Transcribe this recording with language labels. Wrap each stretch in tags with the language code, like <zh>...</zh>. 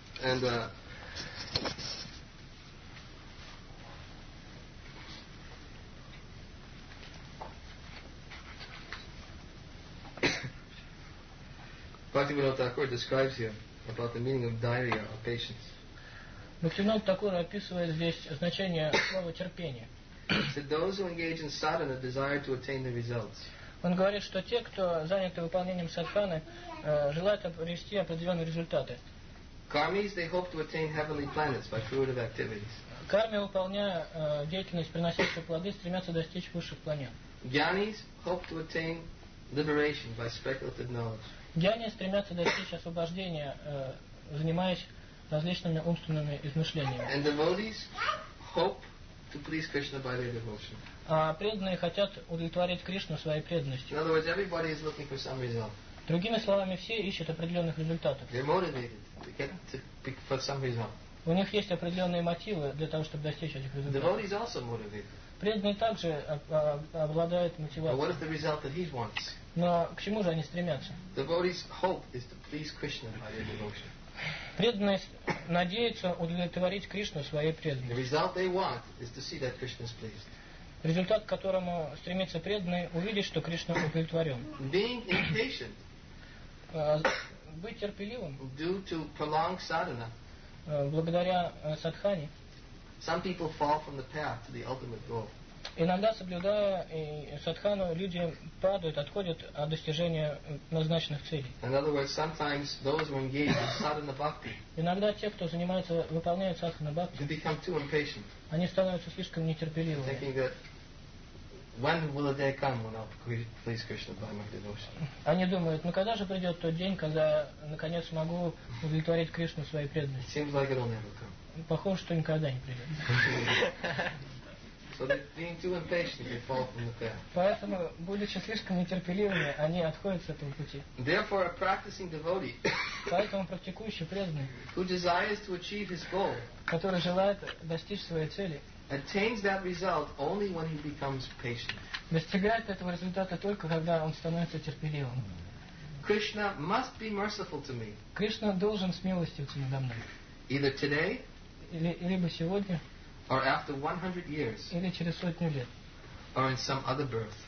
<en>And Bhaktivinoda Thakur describes here about the meaning of dhairya or patience.</en> <ru>Bhaktivinoda Thakur описывает здесь значение слова терпение.</ru> <en>So those who engage in sadhana desire to attain the results.</en> <ru>Он говорит, что те, кто заняты выполнением садханы, желают обрести определенные результаты.</ru> <en>Karmis, they hope to attain heavenly planets by fruitive activities.</en> <ru>Карми, выполняя деятельность, приносящую плоды, стремятся достичь высших планет.</ru> <en>Gyanis hope to attain liberation by speculative knowledge.</en> <ru>Гьяни стремятся достичь освобождения, занимаясь различными умственными измышлениями.</ru> <en>And devotees hope to please Krishna by their devotion.</en> <ru>А преданные хотят удовлетворить Кришну своей преданностью.</ru> <en>In other words, everybody is looking for some result.</en> <ru>Другими словами, все ищут определенных результатов.</ru> <en>They're motivated to get to pick for some result.</en> <ru>У них есть определенные мотивы для того, чтобы достичь этих результатов.</ru> <en>Devotees also motivated.</en> <ru>Преданные также обладают мотивацией.</ru> <en>But what is the result that he wants?</en> <ru>Но к чему же они стремятся?</ru> <en>Devotees' hope is to please Krishna by their devotion.</en> <ru>Преданные надеются удовлетворить Кришну своей преданностью.</ru> <en>The result they want is to see that Krishna is pleased.</en> <ru>Результат, к которому стремится преданный, увидеть, что Кришна удовлетворен.</ru> <en>Being impatient,</en> <ru>быть терпеливым</ru> <en>due to prolonged sadhana,</en> <ru>благодаря садхане.</ru> <en>Some people fall from the path to the ultimate goal.</en> <ru>Иногда, соблюдая садхану, люди падают, отходят от достижения назначенных целей.</ru> <en>In other words, sometimes those who engage in sadhana bhakti.</en> <ru>Иногда те, кто занимается, выполняют садхану бхакти,</ru> <en>they become too impatient.</en> <ru>Они становятся слишком нетерпеливыми.</ru> <en>Thinking that when will a day come when I'll please Krishna by my devotion?</en> <ru>Они думают, ну когда же придет тот день, когда наконец смогу удовлетворить Кришну своей преданностью?</ru> <en>It seems like it'll never come.</en> <ru>Похоже, что никогда не придет.</ru> <en>So being too impatient, they fall from the path.</en> <ru>Поэтому, будучи слишком нетерпеливыми, они отходят с этого пути.</ru> <en>Therefore, a practicing devotee,</en> <ru>поэтому практикующий преданный,</ru> <en>who desires to achieve his goal,</en> <ru>который желает достичь своей цели,</ru> <en>attains that result only when he becomes patient.</en> <ru>Достигает этого результата только когда он становится терпеливым.</ru> <en>Krishna must be merciful to me.</en> <ru>Кришна должен смилостивиться надо мной.</ru> <en>Either today,</en> <ru>либо сегодня,</ru> <en>or after 100 years,</en> <ru>или через сотню лет,</ru> <en>or in some other birth,</en>